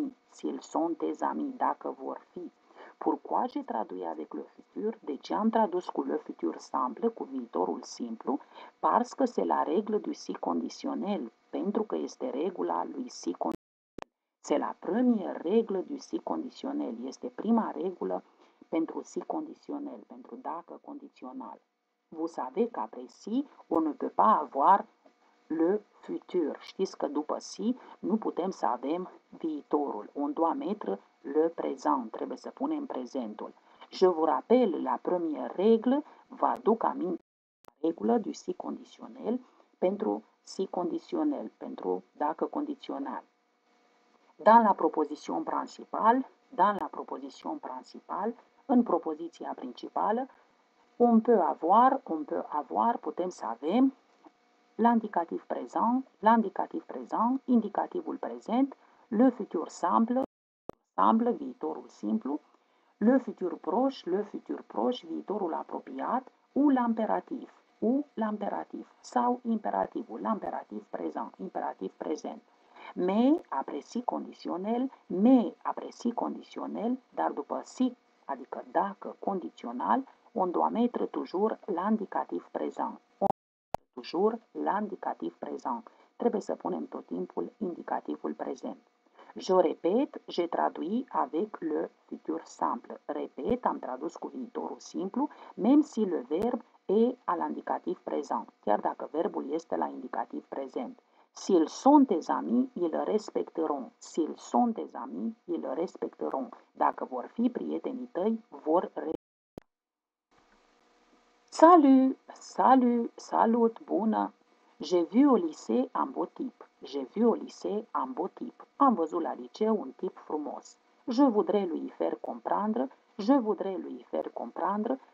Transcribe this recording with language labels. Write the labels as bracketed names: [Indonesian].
[French] S'ils sont tes amis, [Romanian] dacă vor fi. [French] Pourquoi j'ai traduit avec le futur? [Romanian] De ce am tradus cu le futur simplu, cu viitorul simplu? [French] Parce que c'est la règle du si conditionnel. [Romanian] Pentru că este regula lui si conditionnel. [French] C'est la première règle du si conditionnel. [Romanian] Este prima regulă pentru si condițional, pentru dacă condițional. [French] Vous savez qu'après si, on ne peut pas avoir le futur. [Romanian] Știți că după si nu putem să avem viitorul. [French] Un doigt mètre, le présent. [Romanian] Trebuie să punem prezentul. [French] Je vous rappelle la première règle. [Romanian] Vă aduc aminte la regulă du si conditionnel pentru si conditionnel, pentru dacă condițional. [French] Dans la proposition principale, dans la proposition principale, [Romanian] în propoziția principală, [French] on peut avoir, on peut avoir, [Romanian] putem să avem [French] l'indicatif présent, l'indicatif présent, [Romanian] indicativul prezent, [French] le futur simple, [Romanian] viitorul simplu, [French] le futur proche, le futur proche, [Romanian] viitorul apropiat, [French] ou l'impératif, ou l'impératif, [Romanian] sau imperativul, [French] l'impératif présent, [Romanian] imperativ prezent. [French] Mais après si conditionnel, mais après si conditionnel, [Romanian] dar după si, adică dacă condițional, [French] on doit mettre toujours l'indicatif présent. Toujours l'indicatif présent. [Romanian] Trebuie să punem tot timpul indicativul prezent. [French] Je répète, j'ai traduit avec le futur simple. [Romanian] Repet, am tradus cu viitorul simplu, [French] même si le verbe est à l'indicatif présent. [Romanian] Chiar dacă verbul este la indicativ prezent. [French] S'ils sont tes amis, ils respecteront. S'ils sont tes amis, ils respecteront. [Romanian] Dacă vor fi prietenii tăi, vor respecta. [French] Salut, salut, salut, [Romanian] bună. [French] J'ai vu au lycée un beau type. J'ai vu au lycée un beau type. [Romanian] Am văzut la liceu un tip frumos. [French] Je voudrais lui faire comprendre. Je voudrais lui faire comprendre.